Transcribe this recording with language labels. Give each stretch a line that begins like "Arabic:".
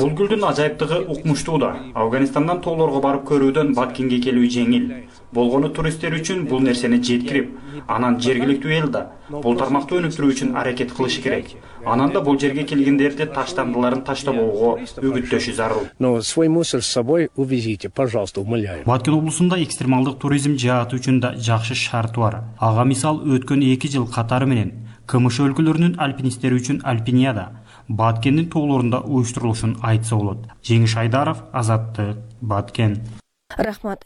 Kyrgyz: Бул гүлдүн ажайыптыгы укмуштуу да. Афганистандан тоолорго барып көрүүдөн Баткенге келүү жеңил. Болгону туристтер үчүн бул нерсени жеткирип, анан жергиликтүү эл да бул тармакты өнүктүрүү үчүн аракет кылышы керек. Анан да бул жерге келгендерди таштандыларын таштабоого үгүттөшү зарыл.
Russian: Но свой мусор с собой увезите, пожалуйста, умоляю.
Kyrgyz: Баткен облусунда экстремалдык туризм жааты үчүн да жакшы шарт бар. Ага мисал өткөн 2 жыл катары менен КМШ өлкөлөрүнүн альпинисттери үчүн Альпиниада Баткендин тоолорунда уюштурулушун айтса болот. Жеңиш Айдаров, Азаттык, Баткен. Рахмат.